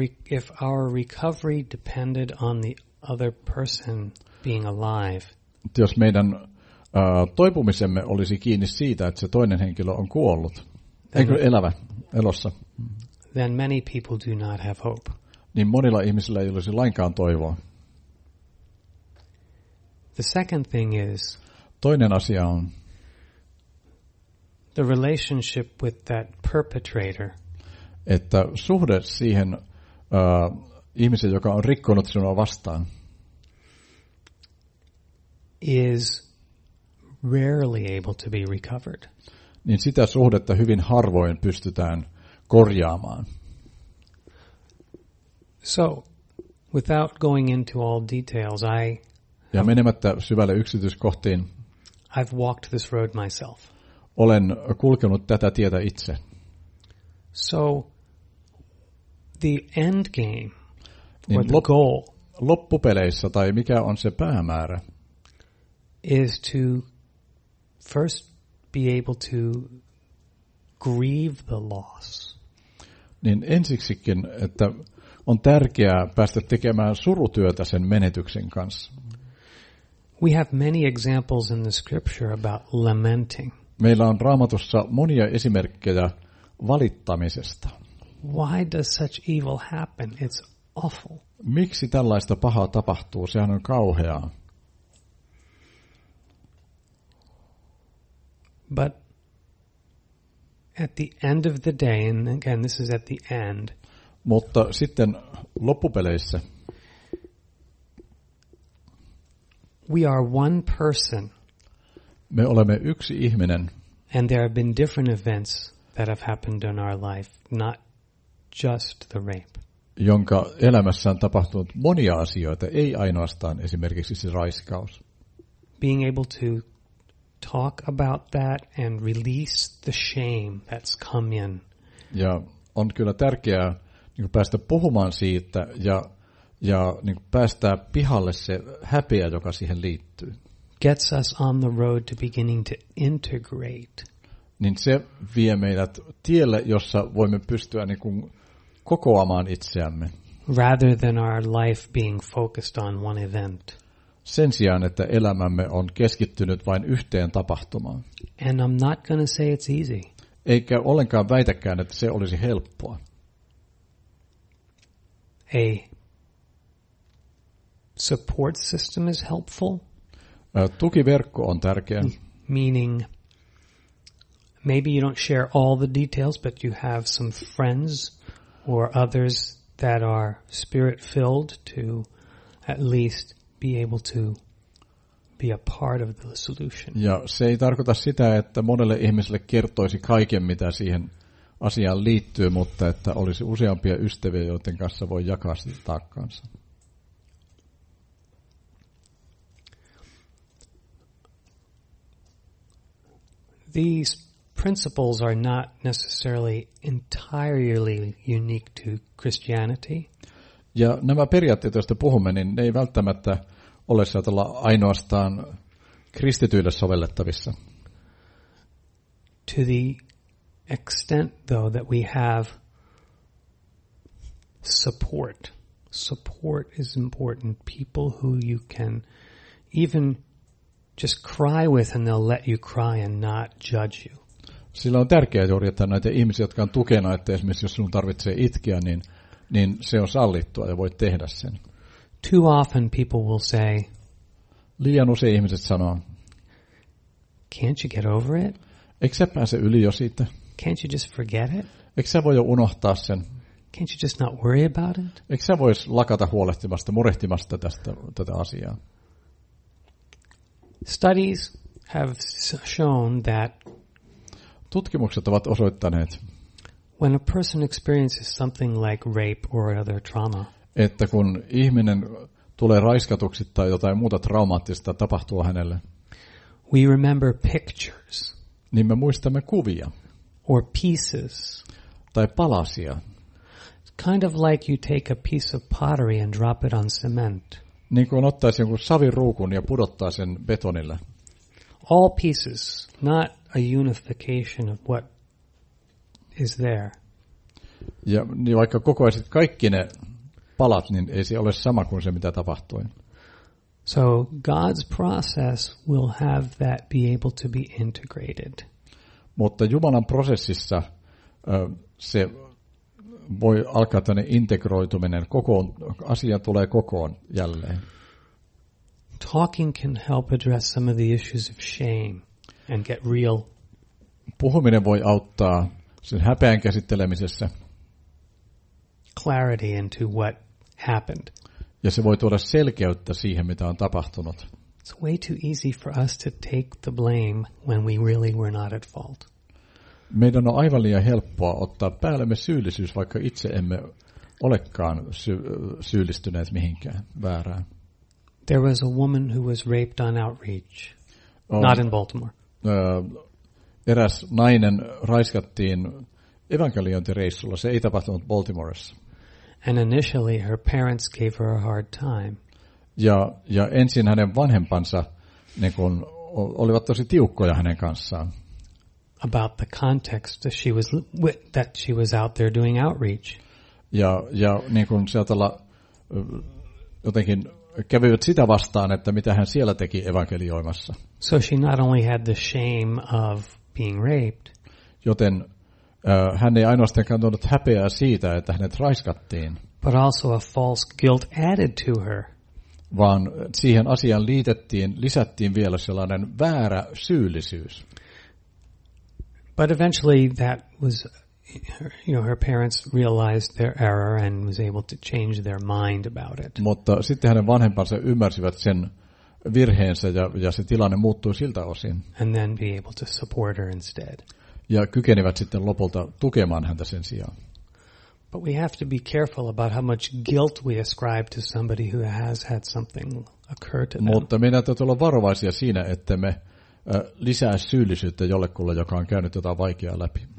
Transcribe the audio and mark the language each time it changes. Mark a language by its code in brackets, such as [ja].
[en] if our recovery depended on the other person being alive, [fi] jos meidän toipumisemme olisi kiinni siitä, että se toinen henkilö on kuollut, eikö elävä, elossa, [en] then many people do not have hope, [fi] niin monilla ihmisillä ei olisi lainkaan toivoa. [en] The second thing is [fi] toinen asia on [en] the relationship with that perpetrator, [fi] että suhde siihen ihmiseen, joka on rikkonut sinua vastaan, [en] is rarely able to be recovered, [fi] niin sitä suhdetta hyvin harvoin pystytään korjaamaan. [en] So without going into all details, I [fi] ja menemättä syvälle yksityiskohtiin, [en] I've walked this road myself. [fi] Olen kulkenut tätä tietä itse. [en] So the end game, niin or the goal, [fi] loppupeleissä tai mikä on se päämäärä, [en] is to first be able to grieve the loss. [fi] Niin ensiksikin, että on tärkeää päästä tekemään surutyötä sen menetyksen kanssa. [en] We have many examples in the scripture about lamenting. [fi] Meillä on Raamatussa monia esimerkkejä valittamisesta. [en] Why does such evil happen? It's awful. [fi] Miksi tällaista pahaa tapahtuu? Sehän on kauheaa. [en] But at the end of the day, and again this is at the end. [fi] Mutta sitten loppupeleissä [en] we are one person. [fi] Me olemme yksi ihminen. [en] And there have been different events that have happened in our life, not just the rape. [fi] Jonka elämässä on tapahtunut monia asioita, ei ainoastaan esimerkiksi se raiskaus. [en] Being able to talk about that and release the shame that's come in. [fi] Ja on kyllä tärkeää niin kuin päästä puhumaan siitä ja niin kuin päästä pihalle se häpeä, joka siihen liittyy. [en] Gets us on the road to beginning to integrate. [fi] niin se vie meidät tielle, jossa voimme pystyä niin kuin kokoamaan itseämme. [en] Rather than our life being focused on one event. [fi] Sen sijaan, että elämämme on keskittynyt vain yhteen tapahtumaan. [en] And I'm not gonna say it's easy. [fi] Eikä ollenkaan väitäkään, että se olisi helppoa. [en] A support system is helpful. [fi] Tukiverkko on tärkeä. [en] Meaning maybe you don't share all the details, but you have some friends or others that are spirit-filled to at least be able to be a part of the solution. [fi] Ja se ei tarkoita sitä, että monelle ihmiselle kertoisi kaiken, mitä siihen asiaan liittyy, mutta että olisi useampia ystäviä, joiden kanssa voi jakaa sitä taakkaansa. [en] These principles are not necessarily entirely unique to Christianity. [fi] Ja nämä periaatteet, joista puhumme, niin ne ei välttämättä ole saatella ainoastaan kristityille sovellettavissa. [en] To the extent though that we have support. Support is important. People who you can even just cry with and they'll let you cry and not judge you. [fi] Sillä on tärkeää juuri, että näitä ihmisiä, jotka on tukena, että esimerkiksi jos sinun tarvitsee itkeä, niin se on sallittua ja voit tehdä sen. [en] Too often people will say, [fi] liian usein ihmiset sanoo, [en] can't you get over it? [fi] Eikö sä pääse yli jo siitä? [en] Can't you just forget it? [fi] Eikö sä voi jo unohtaa sen? [en] Can't you just not worry about it? [fi] Eikö sä voisi lakata huolehtimasta, murehtimasta tätä asiaa? [en] Studies have shown that [fi] tutkimukset ovat osoittaneet, [en] when a person experiences something like rape or other trauma, [fi] että kun ihminen tulee raiskatuksi tai jotain muuta traumaattista tapahtuu hänelle, [en] we remember pictures, [fi] niin me muistamme kuvia, [en] or pieces, [fi] tai palasia. [en] It's kind of like you take a piece of pottery and drop it on cement. [fi] Niin kuin ottaisi jonkun saviruukun ja pudottaa sen betonille. [en] All pieces, not a unification of what is there. [fi] Ja niin vaikka kokoaisit kaikki ne palat, niin ei se ole sama kuin se, mitä tapahtui. [en] So God's process will have that be able to be integrated. [fi] Mutta Jumalan prosessissa se voi alkaa tänne integroituminen. Kokoon, asia tulee kokoon jälleen. [en] Talking can help address some of the issues of shame and get real. [fi] Puhuminen voi auttaa sen häpeän käsittelemisessä. [en] Clarity into what happened. [fi] Ja se voi tuoda selkeyttä siihen, mitä on tapahtunut. [en] It's way too easy for us to take the blame when we really were not at fault. [fi] Meidän on aivan liian helppoa ottaa päällemme syyllisyys, vaikka itse emme olekaan syyllistyneet mihinkään väärään. [en] There was a woman who was raped on outreach, not in Baltimore. [fi] Eräs nainen raiskattiin evankeliointireissulla. Se ei tapahtunut Baltimoressa. [en] And initially her parents gave her a hard time. [fi] Ja ensin hänen vanhempansa niin kun olivat tosi tiukkoja hänen kanssaan. [en] About the context that she was out there doing outreach. [fi] Ja niin kuin sieltä jotenkin kävivät sitä vastaan, että mitä hän siellä teki evankelioimassa. [en] So she not only had the shame of being raped. [fi] Joten hän ei ainoastaan kantanut häpeää siitä, että hänet raiskattiin. [en] But also a false guilt added to her. [fi] Vaan siihen asiaan lisättiin vielä sellainen väärä syyllisyys. [en] But eventually that was, you know, her parents realized their error and was able to change their mind about it. [fi] Mutta sitten hänen vanhempansa ymmärsivät sen virheensä ja se tilanne muuttui siltä osin. [en] And then be able to support her instead. [fi] Ja kykenivät sitten lopulta tukemaan häntä sen sijaan. [en] But we have to be careful about how much guilt we ascribe to somebody who has had something occur to them. [fi] Mutta meidän täytyy olla varovaisia siinä, että me lisää syyllisyyttä jollekulle, joka on käynyt jotain vaikeaa läpi.